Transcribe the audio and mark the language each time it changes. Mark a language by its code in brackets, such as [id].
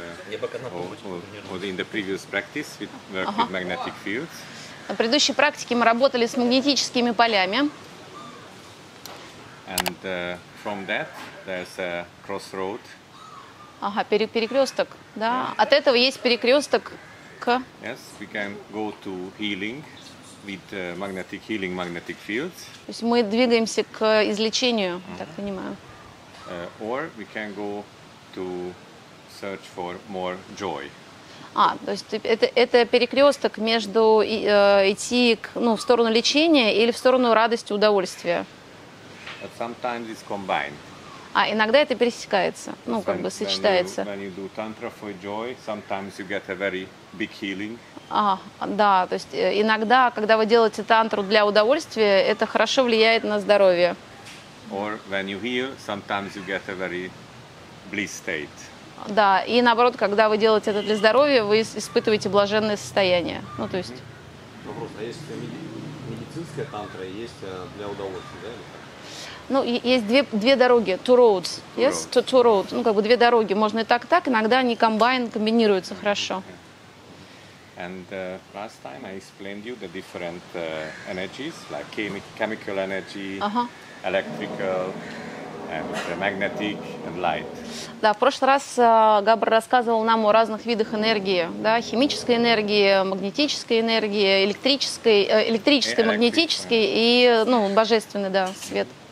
[en] in the previous practice, we worked with magnetic fields. [ru] На предыдущей практике мы работали с магнетическими полями. [en] And from that, there's a crossroad. [ru] Ага, перекресток, да? Yeah. От этого есть перекресток к... [en] Yes, we can go to healing with magnetic healing, magnetic fields. [ru] То есть мы двигаемся к излечению, так понимаю. [en] Or we can go to search for more joy. [ru] А, то есть это перекресток между идти к, ну, в сторону лечения или в сторону радости, удовольствия. [en] But sometimes it's combined. [ru] А иногда это пересекается, ну, как бы сочетается. [en] When you do tantra for joy, sometimes you get a very big healing. [ru] А, да, то есть иногда, когда вы делаете тантру для удовольствия, это хорошо влияет на здоровье. [en] Or when you heal, sometimes you get a very bliss state. [ru] Да, и наоборот, когда вы делаете это для здоровья, вы испытываете блаженное состояние. Ну, то есть... Вопрос, а есть медицинская тантра, есть для удовольствия, да, или как? Ну, есть две дороги, [en] two roads, yes? Two roads, [ru] ну, как бы две дороги, можно и так, иногда они комбинируются хорошо. [en] And last time I explained you the different energies, like chemical energy, electrical, and magnetic, and light. [ru] Да, в прошлый раз Габр рассказывал нам о разных видах энергии, да, химической энергии, магнетической энергии, электрической, магнетической и, ну, божественный, да, свет.